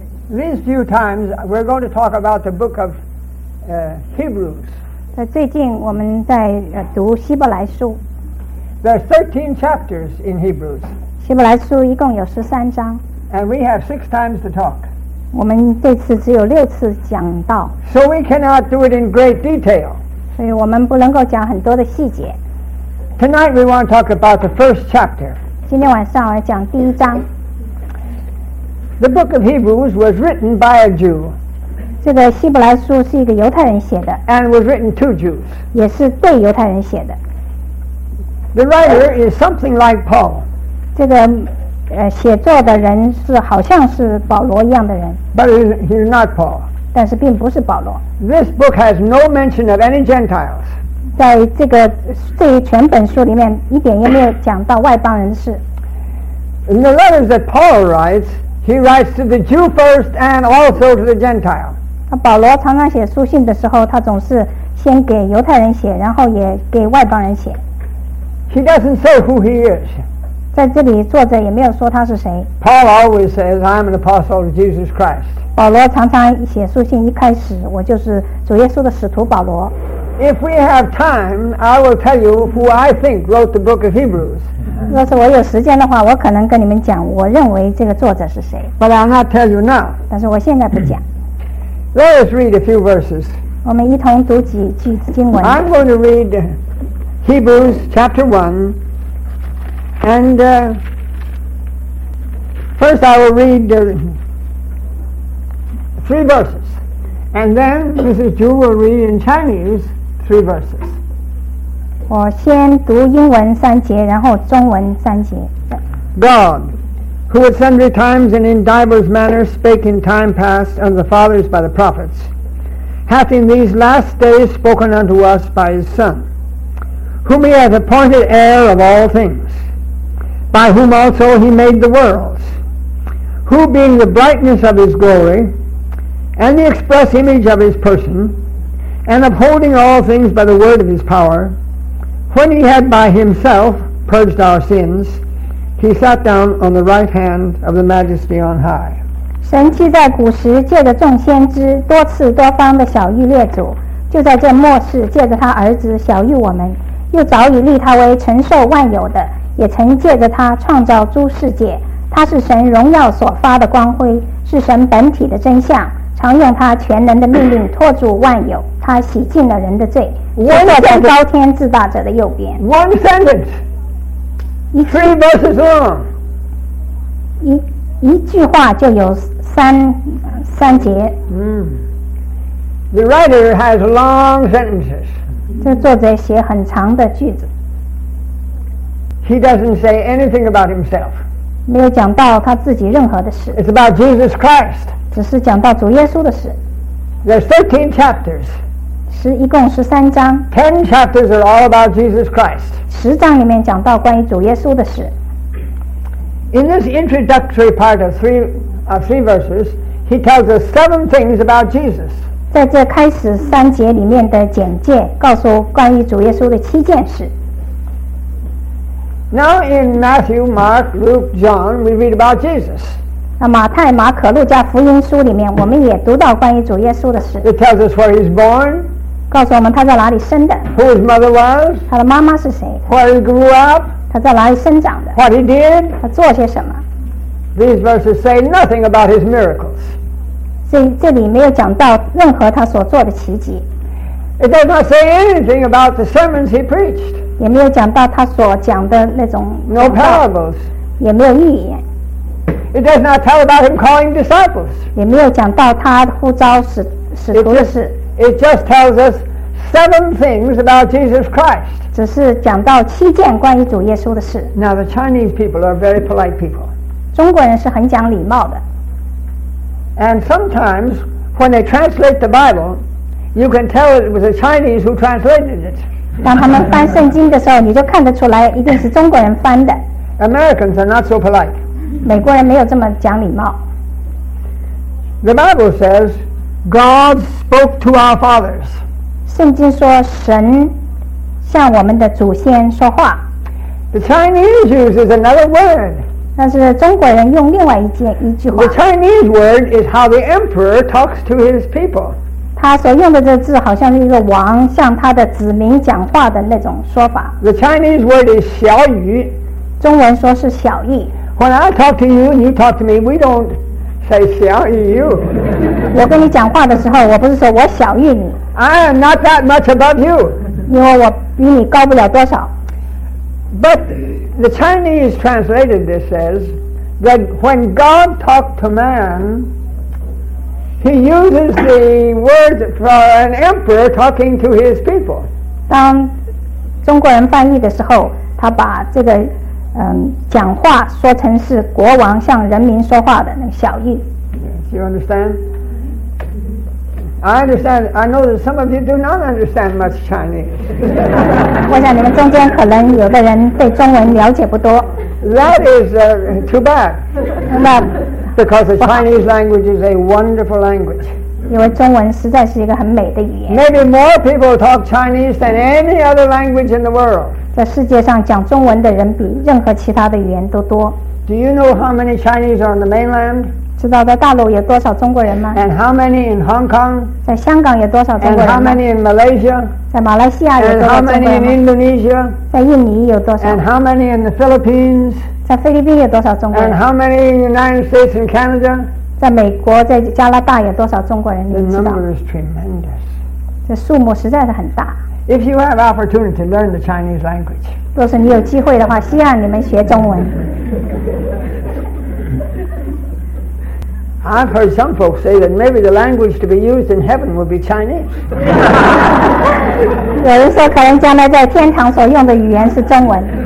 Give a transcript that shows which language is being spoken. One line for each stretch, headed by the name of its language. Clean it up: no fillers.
English: These few times we're going to talk about the book of Hebrews.
Chinese: 最近我们在读希伯来书。
English: There are 13 chapters in Hebrews.
Chinese: 希伯来书一共有13章。
English: And we have 6 times to talk.
Chinese: 我们这次只有6次讲到。
English: So we cannot do it in great detail.
Chinese: 所以我们不能够讲很多的细节。
English: Tonight we want to talk about the first chapter.
Chinese: 今天晚上我要讲第一章。
English: The book of Hebrews was written by a Jew.
Chinese: 这个希伯来书是一个犹太人写的。
English: And was written to Jews.
Chinese: 也是对犹太人写的。
English: The writer is something like Paul.
Chinese: 这个写作的人是好像是保罗一样的人。
English: But he is not Paul.
Chinese: 但是并不是保罗。
English: This book has no mention of any Gentiles.
Chinese: 在这全本书里面一点也没有讲到外邦人士。
English: In the letters that Paul writes,He writes to the Jew first and also to the Gentile.
Chinese: 保罗常常写书信的时候，他总是先给犹太人写，然后也给外邦人写。
English: He doesn't say who he is.
Chinese: 在这里作者也没有说他是谁。
English: Paul always says, "I'm an apostle of Jesus Christ."
Chinese: 保罗常常写书信一开始，我就是主耶稣的使徒保罗。
English: If we have time, I will tell you who I think wrote the book of Hebrews.
Chinese: 若是我有时间的话，我可能跟你们讲，我认为这个作者是谁。
English: But I'll not tell you now.
Chinese: 但是我现在不讲。
English: Let us read a few verses.
Chinese: 我们一同读几句经文。
English: I'm going to read Hebrews chapter 1. And first I will read three verses. And then Mrs. Zhu will read in Chinese. Three verses.
Chinese: 我先读英文三节，然后中文三节。
English: God, who at sundry times and in divers manners spake in time past unto the fathers by the prophets, hath in these last days spoken unto us by his Son, whom he hath appointed heir of all things, by whom also he made the worlds, who being the brightness of his glory, and the express image of his person,and upholding all things by the word of his power, when he had by himself purged our sins, he sat down on the right hand of the majesty on high.
Chinese: 神既在古时借着众先知多次多方的晓谕列祖，就在这末世借着他儿子晓谕我们，又早已立他为承受万有的，也曾借着他创造诸世界。他是神荣耀所发的光辉，是神本体的真相，常用他全能的命令托住万有。他洗净了人的罪，坐在高天至大者的右边。
English: One sentence, three verses long.
Chinese: 一句话就有三节。
English: The writer has long sentences.
Chinese: 这作者写很长的句子。
English: He doesn't say anything about himself.
Chinese: 没有讲到他自己任何的事。
English: It's about Jesus Christ.
Chinese: 只是讲到主耶稣的事。
English: There's 13 chapters.
Chinese: 一共十三章。
English: 10 chapters are all about Jesus Christ.
Chinese: 十章里面讲到关于主耶稣的事。
English: In this introductory part of three verses, he tells us 7 things about Jesus.
Chinese: 在这开始三节里面的简介，告诉关于主耶稣的七件事。
English: Now in Matthew, Mark, Luke, John, we read about Jesus.
Chinese: 那马太、马可、路加福音书里面，我们也读到关于主耶稣的事。
English: It tells us where he's born.
Chinese: 告诉我们他在哪里生的。
English: Who his mother was.
Chinese: 他的妈妈是谁。
English: Where he grew up.
Chinese: 他在哪里生长的。
English: What he did.
Chinese: 他做些什么。
English: These verses say nothing about his miracles.
Chinese: 这里没有讲到任何他所做的奇迹。
English: It does not say anything about the sermons he preached.
Chinese: 也没有讲到他所讲的那种。
English: No parables.
Chinese: 也没有预言。
English: It does not tell about him calling disciples.
Chinese: 也没有讲到他呼召使徒的事。
English: It just tells us seven things about Jesus Christ.
Chinese: 只是讲到七件关于主耶稣的事。
English: Now the Chinese people are very polite people.
Chinese: 中国人是很讲礼貌的。
English: And sometimes when they translate the Bible, you can tell it was the Chinese who translated it.
Chinese: 当他们翻圣经的时候，你就看得出来一定是中国人翻的。
English: Americans are not so polite.
Chinese: 美国人没有这么讲礼貌。
English: The Bible says, God spoke to our fathers.
Chinese: 圣经说神向我们的祖先说话。
English: The Chinese uses another word.
Chinese: 但是中国人用另外一句话。
English: The Chinese word is how the emperor talks to his people.
Chinese: 他所用的这字好像是一个王向他的子民讲话的那种说法。
English: The Chinese word is 小语。
Chinese: 中文说是小语。
English: When I talk to you, you talk to me, we don't. Say 小于 you.
Chinese: 我跟你讲话的时候，我不是说我小于你。
English: I am not that much above you.
Chinese: 因为我比你高不了多少。
English: But the Chinese translated this says that when God talked to man, he uses the words for an emperor talking to his people.
Chinese: 当中国人翻译的时候，他把这个。讲话说成是国王向人民说话的那个小意。
English: Yes, you understand? I understand. I know that some of you do not understand much Chinese.
Chinese: 我想你们中间可能有的人对中文了解不多。
English: That is too bad. Because the Chinese language is a wonderful language.
Chinese: 因为中文实在是一个很美的语言。
English: Maybe more people talk Chinese than any other language in the world.
Chinese: 在世界上讲中文的人比任何其他的语言都多。
English: Do you know how many Chinese are on the mainland?
Chinese: 知道在大陆有多少中国人吗
English: ？And how many in Hong Kong?
Chinese: 在香港有多少中国人
English: ？And how many in Malaysia?
Chinese: 在马来西亚有多少中国人
English: ？And how many in Indonesia?
Chinese: 在印尼有多少
English: ？And how many in the Philippines?
Chinese: 在菲律宾有多少中国人
English: ？And how many in the United States and Canada?
Chinese: 在美国在加拿大有多少中国人？你知道
English: ？The number is tremendous.
Chinese: 这数目实在是很大。
English: If you have opportunity to learn the Chinese language,
Chinese: 若是你有机会的话，希望你们学中文。
English: I've heard some folks say that maybe the language to be used in heaven will be Chinese.
Chinese: 有人说可能将来在天堂所用的语言是中文。